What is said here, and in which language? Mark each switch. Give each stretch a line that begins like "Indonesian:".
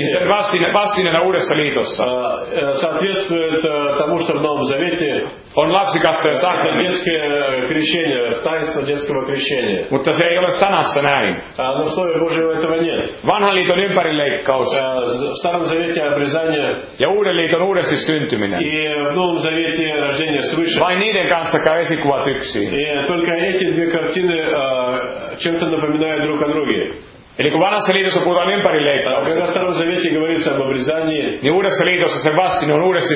Finnish: Ja sen vastineena uudessa liitossa.
Russian: Соответствует тому, что в Новом Завете.
Finnish: On lapsikasteen sakramentti.
Russian: Детское крещение, таинство детского крещения.
Finnish: Mutta se ei ole sanassa näin.
Russian: Но в Слове Божьем этого нет.
Finnish: Vanhan liiton ympärileikkaus.
Russian: В Старом Завете обрезание.
Finnish: Ja uuden liiton uudesti syntyminen.
Russian: И в Новом Завете рождение свыше.
Finnish: Vain niiden kanssa käy esikuvat yksin.
Russian: Только эти две картины чем-то напоминают друг.
Finnish: Eli kun vanhassa liitossa puhutaan ympärileikkauksesta, niin uudessa liitossa sen vastine on uudesti